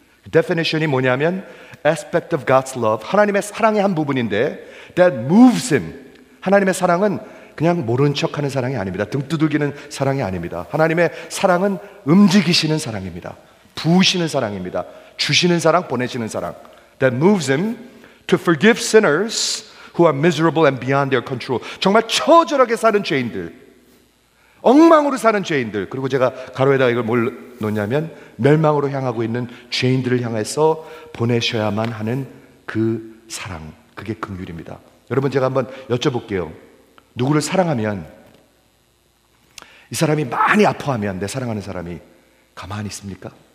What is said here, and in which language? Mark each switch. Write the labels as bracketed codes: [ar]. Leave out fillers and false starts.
[en] Definition이 [ko] 뭐냐면 [en] aspect of God's love, [ko] 하나님의 사랑의 한 부분인데 [en] that moves him. [ko] 하나님의 사랑은 그냥 모른 척하는 사랑이 아닙니다. 등 두들기는 사랑이 아닙니다. 하나님의 사랑은 움직이시는 사랑입니다. 부으시는 사랑입니다. 주시는 사랑, 보내시는 사랑. [en] That moves him to forgive sinners who are miserable and beyond their control. [ko] 정말 처절하게 사는 죄인들, 엉망으로 사는 죄인들, 그리고 제가 가로에다가 이걸 뭘 놓냐면 멸망으로 향하고 있는 죄인들을 향해서 보내셔야만 하는 그 사랑, 그게 긍휼입니다. 여러분 제가 한번 여쭤볼게요. 누구를 사랑하면, 이 사람이 많이 아파하면 내 사랑하는 사람이 가만히 있습니까?